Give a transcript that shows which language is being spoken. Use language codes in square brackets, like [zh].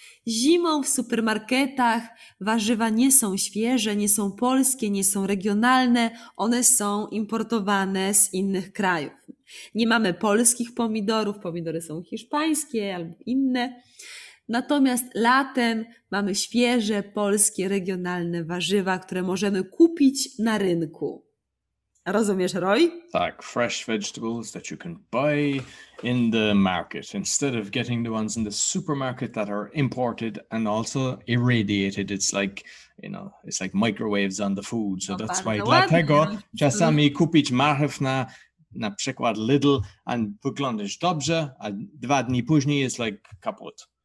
[pl] Zimą w supermarketach warzywa nie są świeże, nie są polskie, nie są regionalne, one są importowane z innych krajów. Nie mamy polskich pomidorów, pomidory są hiszpańskie albo inne. Natomiast latem mamy świeże, polskie, regionalne warzywa, które możemy kupić na rynku. Rozumiesz, Roy? Tak, [en] fresh vegetables that you can buy in the market instead of getting the ones in the supermarket that are imported and also irradiated. It's like, you know, it's like microwaves on the food. So no, that's why [pl] dlatego czasami kupić marchew na przykład Lidl and wyglądasz dobrze, a dwa dni później jest like kaput.